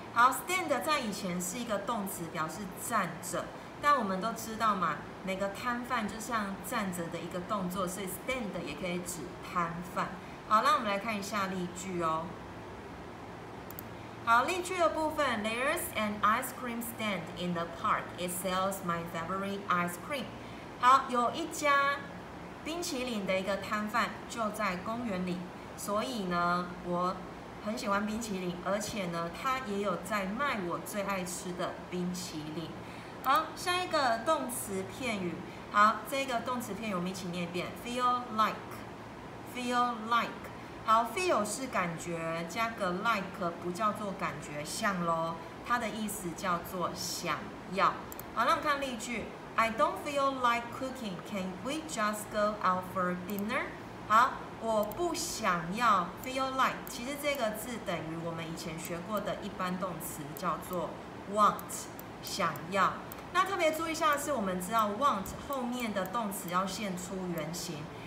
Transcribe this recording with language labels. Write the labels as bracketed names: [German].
[Chinese] 好， stand 在以前是一个动词，表示站着，但我们都知道嘛，每个摊贩就像站着的一个动作，所以 stand 也可以指摊贩。好，那我们来看一下例句哦。好，例句的部分， [English] There's an ice cream stand in the park. It sells my favorite ice cream. [Chinese] 好，有一家冰淇淋的一个摊贩就在公园里，所以呢我很喜欢冰淇淋，而且呢他也有在卖我最爱吃的冰淇淋。好，下一个动词片语。好，这个动词片语我们一起念一遍， feel like。 Feel like， 好 ，feel 是感觉，加个 like 不叫做感觉，像咯，它的意思叫做想要。好，那我们看例句 ， [English] I don't feel like cooking. Can we just go out for dinner？ [Chinese] 好，我不想要 feel like， 其实这个字等于我们以前学过的一般动词叫做 want， 想要。那特别注意一下的是，我们知道 want 后面的动词要现出原形。